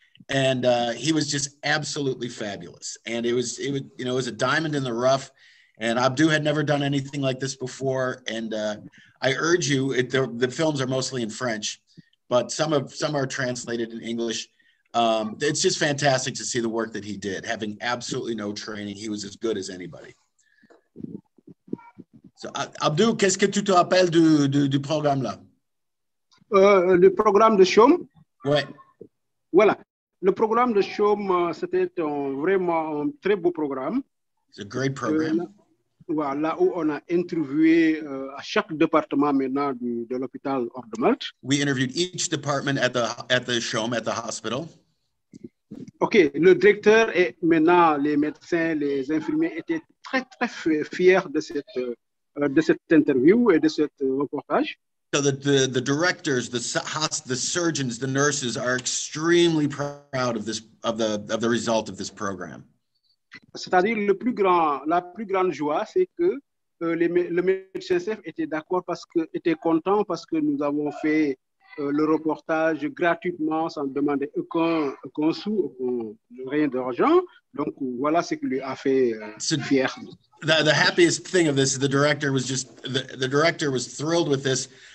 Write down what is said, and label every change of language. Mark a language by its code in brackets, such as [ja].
[en] And he was just absolutely fabulous. And it was a diamond in the rough. And Abdul had never done anything like this before. And I urge you, the films are mostly in French, but some are translated in English. It's just fantastic to see the work that he did. Having absolutely no training, he was as good as anybody. [fr] So, Abdul, qu'est-ce que tu te rappelles du programme là? Le programme de Chaume. Ouais. Voilà. Le programme de Chaume, c'était vraiment un très beau programme. [en] It's a great program. [fr] Là où on a interviewé à chaque département maintenant de l'hôpital Hors de Malte. [en] We interviewed each department at the Chaume, at the hospital. [fr] OK, le directeur et maintenant les médecins, les infirmiers étaient très, très fiers de cette interview et de ce reportage. [en] So the directors, the surgeons, the nurses are extremely proud of the result of this program. [fr] C'est-à-dire la plus grande joie, c'est que le médecin chef était content parce que nous avons fait le reportage gratuitement sans demander aucun sou, rien d'argent. Donc voilà ce qui lui a fait fier. [en] The happiest thing of this, the director was thrilled with this.